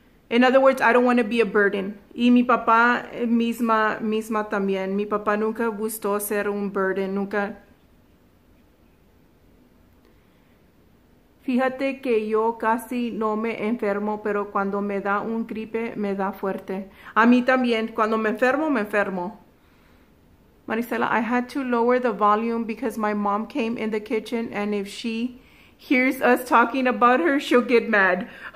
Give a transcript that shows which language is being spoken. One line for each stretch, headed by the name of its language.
English: In other words, I don't want to be a burden.
Spanish: Y mi papá misma también. Mi papá nunca gustó ser un burden, nunca. Fíjate que yo casi no me enfermo, pero cuando me da un gripe, me da fuerte. A mí también, cuando me enfermo, me enfermo.
English: Maricela, I had to lower the volume because my mom came in the kitchen and if she hears us talking about her, she'll get mad.